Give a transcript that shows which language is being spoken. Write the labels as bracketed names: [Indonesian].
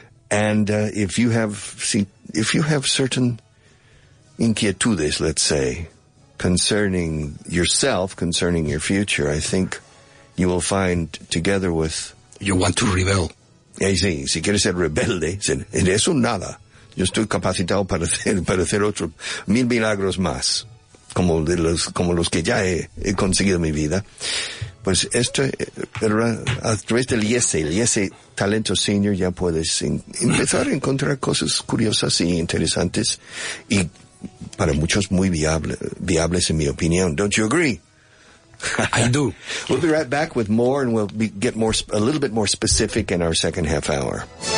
[English] And if you have certain inquietudes, let's say, concerning yourself, concerning your future, I think you will find, together with... You want to rebel. [Spanish] Sí, si quieres ser rebelde, eres un nada. Yo estoy capacitado para hacer otro mil milagros más, como los que ya he conseguido en mi vida. Pues esto, a través del IES Talento Senior, ya puedes empezar a encontrar cosas curiosas e interesantes y para muchos muy viables en mi opinión. [English] Don't you agree? I do. We'll be right back with more, and we'll get a little bit more specific in our second half hour.